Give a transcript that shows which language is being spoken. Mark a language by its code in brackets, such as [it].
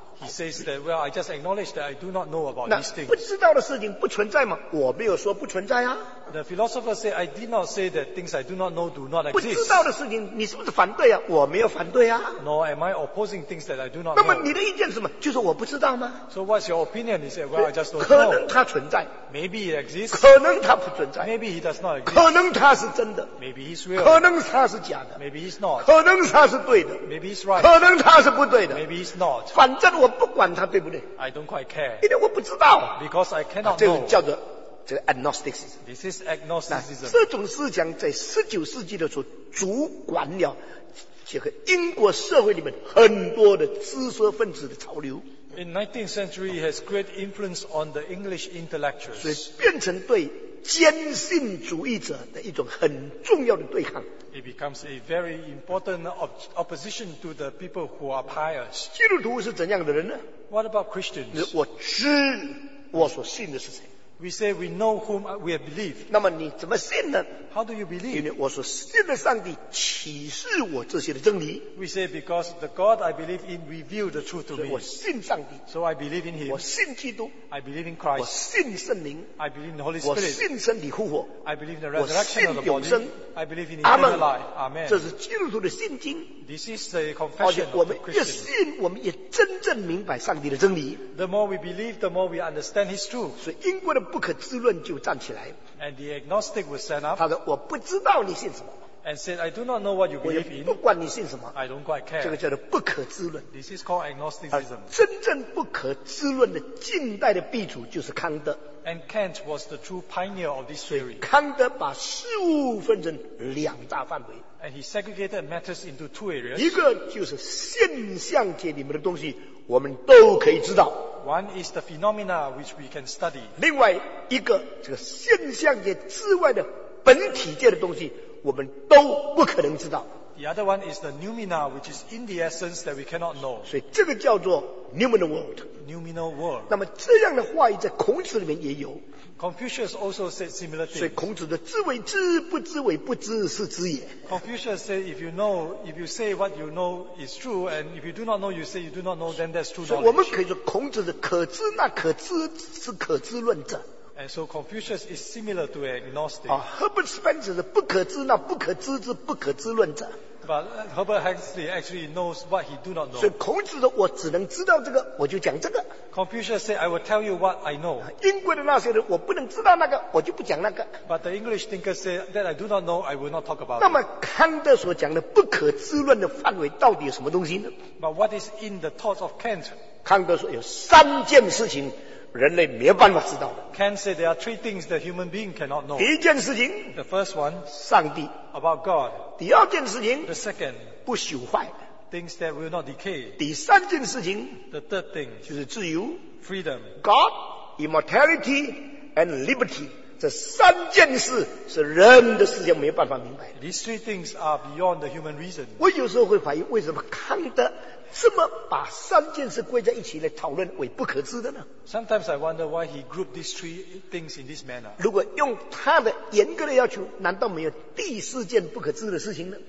[en] He says that, well, I just acknowledge that I do not know about these things. [zh] 那不知道的事情不存在吗？我没有说不存在啊。 [en] The philosopher said, I did not say that things I do not know do not exist. [zh] 不知道的事情，你是不是反对啊？我没有反对啊。 [en] Nor am I opposing things that I do not know. [zh] 那么你的意见是什么？就是我不知道吗？ [en] So what's your opinion? He said, well, I just don't know. [zh] 可能它存在。 [en] Maybe it exists. [zh] 可能它不存在。 [en] Maybe he does not exist. [zh] 可能它是真的。 [en] Maybe he's real. [zh] 可能它是假的。 [en] Maybe he's not. [zh] 可能它是对的。 [en] Maybe he's right. [zh] 可能它是不对的。 [en] Maybe he's not. [zh] 反正我不管它对不对。 [en] I don't quite care. [zh] 因为我不知道。 [en] Because I cannot know. [zh] 这个叫做这个 agnosticism。 [en] This is agnosticism. [zh] 这种思想在19世纪的时候主管了这个英国社会里面很多的知识分子的潮流。 [en] In 19th century, it has great influence on the English intellectuals. [zh] 所以变成对坚信主义者的一种很重要的对抗。 [en] It becomes a very important opposition to the people who are pious. [zh] 基督徒是怎样的人呢？ [en] What about Christians? [zh] 我知我所信的是谁。 [en] We say we know whom we have believed. [zh] 那么你怎么信呢？ [en] How do you believe? [zh] 因为我所信的上帝启示我这些的真理。 [en] We say because the God I believe in revealed the truth to me. [zh] 所以我信上帝。 [en] So I believe in him. [zh] 我信基督。 [en] I believe in Christ. [zh] 我信圣灵。 [en] I believe in the Holy Spirit. [zh] 我信身体复活。 [en] I believe in the resurrection of the body. [zh] 我信永生。 [en] I believe in eternal life. Amen. [zh] 这是基督徒的信经。 [en] This is the confession of the Christian. [zh] 而且我们越信，我们也真正明白上帝的真理。 [en] The more we believe, the more we understand his truth. [zh] 所以英国的不可知论就站起来。 [en] And the agnostic was set up. [zh] 他说：“我不知道你信什么。” [en] And said, I do not know what you believe in. [zh] 我也不管你信什么, [en] I don't quite care. [zh] 这个叫做不可知论。 [en] This is called agnosticism. [zh] 真正不可知论的近代的鼻祖就是康德。 [en] And Kant was the true pioneer of this theory. [zh] 康德把事物分成两大范围。 [en] And he segregated matters into two areas. [zh] 一个就是现象界里面的东西, 我们都可以知道。 [en] One is the phenomena which we can study. [zh] 另外一个, 这个现象界之外的本体界的东西, 我们都不可能知道。 [en] The other one is the noumena, which is in the essence that we cannot know. [zh] 所以这个叫做 noumenal world. [en] Noumenal world. [zh] 那么这样的话语在孔子里面也有。 [en] Confucius also said similar things. [zh] 所以孔子的知为知，不知为不知，是知也。 [en] Confucius said, if you know, if you say what you know is true, and if you do not know, you say you do not know, then that's true knowledge. [zh] 所以我们可以说孔子的可知那可知是可知论者。 [en] And so Confucius is similar to an agnostic. [zh] Herbert Spencer 是不可知那不可知之不可知论者。 [en] But Herbert Huxley actually knows what he do not know. [zh] 所以孔子的我只能知道这个，我就讲这个。 [en] Confucius said, I will tell you what I know. [zh] 英国的那些人，我不能知道那个，我就不讲那个。 [en] But the English thinker said, that I do not know, I will not talk about it. [zh] 那么康德所讲的不可知论的范围到底有什么东西呢？ [en] But what is in the thoughts of Kant? [zh] 康德说有三件事情。人类没有办法知道的。 [en] Kant said there are three things that human being cannot know. [zh] 第一件事情, [en] the first one, [zh] 上帝, [en] about God. [zh] 第二件事情, [en] the second, [zh] 不朽坏, [en] things that will not decay. [zh] 第三件事情, [en] the third thing, [zh] 就是自由, [en] freedom. God, immortality, and liberty. [zh] 这三件事是人的世界没有办法明白。 [en] These three things are beyond the human reason. [zh] 我有时候会怀疑为什么康德 怎么把三件事归在一起来讨论为不可知的呢？ [en] Sometimes I wonder why he grouped these three things in this manner. [zh] 如果用他的严格的要求，难道没有第四件不可知的事情呢？